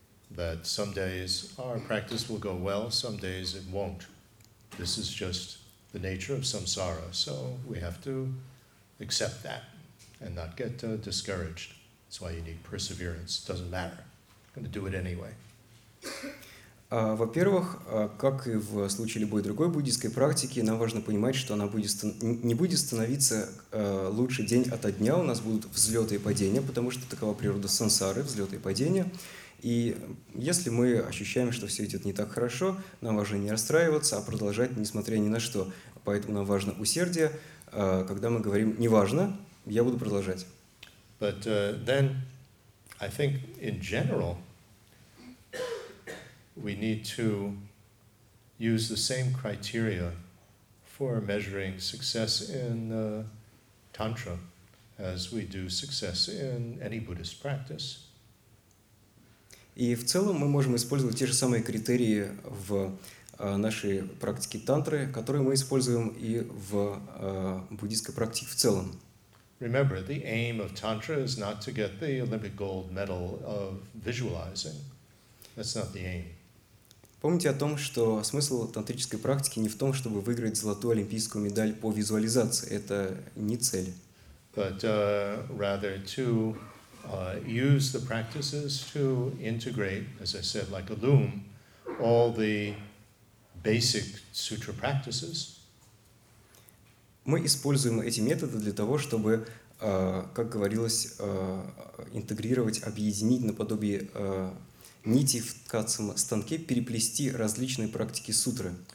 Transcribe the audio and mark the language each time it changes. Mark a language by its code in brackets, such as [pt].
[en] That some days our practice will go well, some days it won't. This is just the nature of samsara, so we have to accept that and not get discouraged. That's why you need perseverance. It doesn't matter. I'm going to do it anyway. [ru] Во-первых, как и в случае любой другой буддийской практики, нам важно понимать, что она будет не будет становиться лучше день ото дня. У нас будут взлеты и падения, потому что такова природа сансары, взлеты и падения. И если мы ощущаем, что все идет не так хорошо, нам важно не расстраиваться, а продолжать, несмотря ни на что. Поэтому нам важно усердие, когда мы говорим «неважно, я буду продолжать». [en] But then, I think, in general, we need to use the same criteria for measuring success in Tantra as we do success in any Buddhist practice. [ru] И в целом мы можем использовать те же самые критерии в нашей практике тантры, которые мы используем и в буддийской практике в целом. [en] Remember, the aim of tantra is not to get the Olympic gold medal of visualizing. That's not the aim. [ru] Помните о том, что смысл тантрической практики не в том, чтобы выиграть золотую олимпийскую медаль по визуализации. Это не цель. [en] But rather to use the practices to integrate, as I said, like a loom, all the basic sutra practices. [ru] Мы используем эти методы для того, чтобы, как говорилось, интегрировать, объединить наподобие нити в ткацком станке, переплести различные практики сутры.